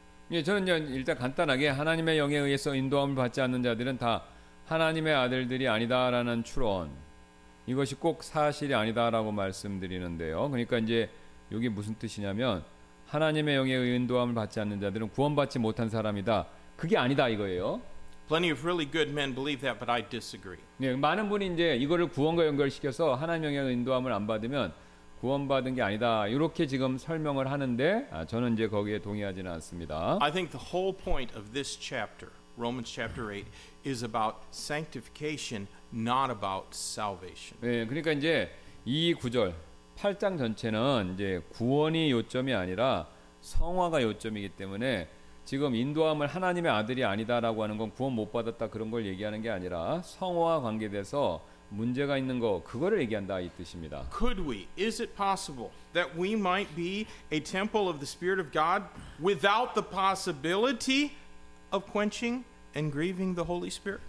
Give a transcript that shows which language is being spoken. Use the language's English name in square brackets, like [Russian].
[Korean] 예, 저는 일단 간단하게 하나님의 영에 의해서 인도함을 받지 않는 자들은 다 하나님의 아들들이 아니다라는 추론 이것이 꼭 사실이 아니다라고 말씀드리는데요. 그러니까 이제 여기 무슨 뜻이냐면 하나님의 영에 의해 인도함을 받지 않는 자들은 구원받지 못한 사람이다. 그게 아니다 이거예요. [English] Plenty of really good men believe that, but I disagree. [Korean] 예, 많은 분이 이제 이거를 구원과 연결시켜서 하나님의 영에 인도함을 안 받으면 구원받은 게 아니다. 이렇게 지금 설명을 하는데 저는 이제 거기에 동의하지는 않습니다. [English] I think the whole point of this chapter, Romans chapter 8, is about sanctification, not about salvation. [Korean] 네, 그러니까 이제 이 구절 8장 전체는 이제 구원이 요점이 아니라 성화가 요점이기 때문에 지금 인도함을 하나님의 아들이 아니다라고 하는 건 구원 못 받았다 그런 걸 얘기하는 게 아니라 성화와 관계돼서 문제가 있는 거 그거를 얘기한다 이 뜻입니다. [English] Could we? Is it possible that we might be a temple of the Spirit of God without the possibility of quenching and grieving the Holy Spirit?